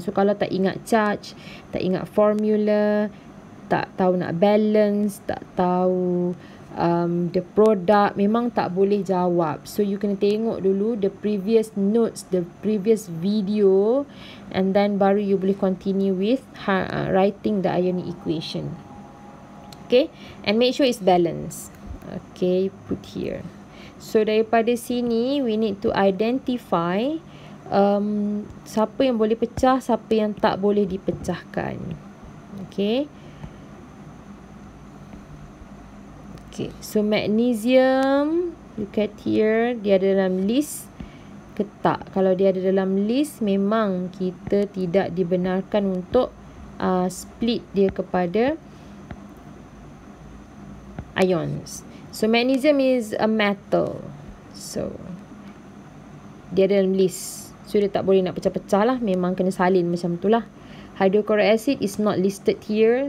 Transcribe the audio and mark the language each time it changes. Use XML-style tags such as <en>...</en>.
<ms>So, kalau tak ingat charge, tak ingat formula, tak tahu nak balance, tak tahu</ms> <en>the product,</en> <ms>memang tak boleh jawab.</ms> <en>So, you</en> <ms>kena tengok dulu</ms> <en>the previous notes, the previous video, and then baru you boleh continue with writing the ionic equation. Okay? And make sure it's balanced. Okay, put here.</en> <ms>So, daripada sini,</ms> <en>we need to identify</en> <ms>siapa yang boleh pecah, siapa yang tak boleh dipecahkan. Okay. Okay. So, magnesium,</ms> <en>look at here,</en> <ms>dia ada dalam list ke tak? Kalau dia ada dalam list, memang kita tidak dibenarkan untuk split dia kepada ions.</ms> <en>So, magnesium is a metal. So,</en> <ms>dia ada dalam list. So, dia tak boleh nak pecah-pecah lah. Memang kena salin macam tu lah.</ms> <en>Hydrochloric acid is not listed here.</en>